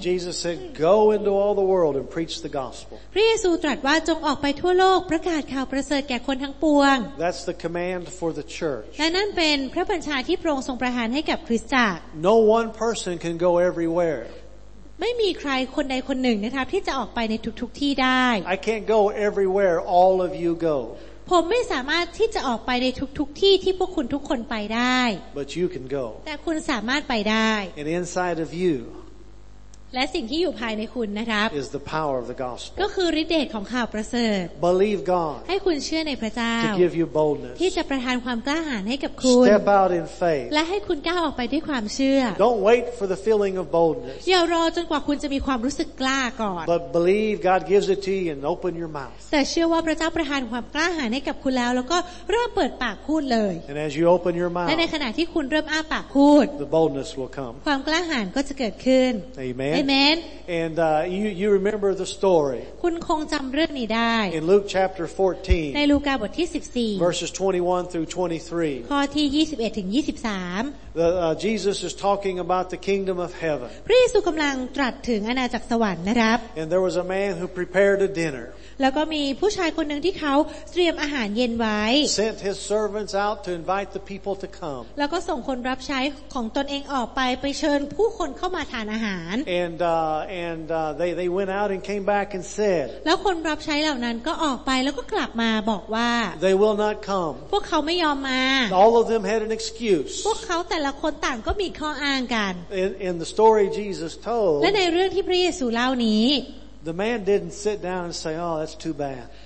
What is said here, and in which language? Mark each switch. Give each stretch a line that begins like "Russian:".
English: Jesus said, "Go into all the world and preach the gospel."
Thai: พระเยซูตรัสว่าจงออกไปทั่วโลกประกาศข่าวประเสริฐแก่คนทั้งปวง
English: That's the command for the church.
Thai: และนั่นเป็นพระบัญชาที่พระองค์ทรงประทานให้กับคริสตจักร
English: No one person can go everywhere.
Thai: ไม่มีใครคนใดคนหนึ่งนะครับที่จะออกไปในทุกๆที่ได้
English: I can't go everywhere all of you go
Thai: ผมไม่สามารถที่จะออกไปในทุกๆที่ที่พวกคุณทุกคนไปได้
English: But you can go
Thai: แต่คุณสามารถไปได้
English: And inside of you
Thai: และสิ่งที่อยู่ภายในคุณนะครับ
English: is the power of the gospel
Thai: ก็คือฤทธิ์เดชของข่าวประเสริฐ
English: Believe God
Thai: ให้คุณเชื่อในพระเจ้า
English: To give you boldness
Thai: ที่จะประทานความกล้าหาญให้กับคุณ
English: Step out in faith
Thai: และให้คุณก้าวออกไปด้วยความเชื่อ
English: Don't wait for the feeling of boldness
Thai: อย่ารอจนกว่าคุณจะมีความรู้สึกกล้าก่อน
English: But believe God gives it to you and open your mouth
Thai: แต่เชื่อว่าพระเจ้าประทานความกล้าหาญให้กับคุณแล้วแล้วก็เริ่มเปิดปากพูดเลย
English: And as you open your mouth
Thai: และในขณะที่คุณเริ่มอ้าปากพูด
English: The boldness will come
Thai: ความกล้าหาญก็จะเกิดขึ้น
English: Amen Amen. And you remember the story.
Thai: คุณคงจำเรื่องนี้ได้
English: In Luke chapter 14.
Thai: ในลูกาบทที่14.
English: Verses 21 through 23.
Thai: ข้อที่21ถึง23.
English: Jesus is talking about the kingdom of heaven.
Thai: พระเยซูกำลังตรัสถึงอาณาจักรสวรรค์นะครับ
English: And there was a man who prepared a dinner.
Thai: แล้วก็มีผู้ชายคนหนึ่งที่เขาเตรียมอาหารเย็นไว้
English: Sent his servants out to invite the people to come.
Thai: แล้วก็ส่งคนรับใช้ของตนเองออกไปเชิญผู้คนเข้ามาทานอาหาร
English: And they went out and came back and said.
Thai: แล้วคนรับใช้เหล่านั้นก็ออกไปแล้วก็กลับมาบอกว่า
English: They will not come.
Thai: พวกเขาไม่ยอมมา
English: All of them had an excuse.
Thai: พวกเขาแต่ละคนต่างก็มีข้ออ้างกัน
English: In the story Jesus told.
Thai: และในเรื่องที่พระเยซูเล่านี้
English: The man didn't sit down and say, "Oh, that's too bad."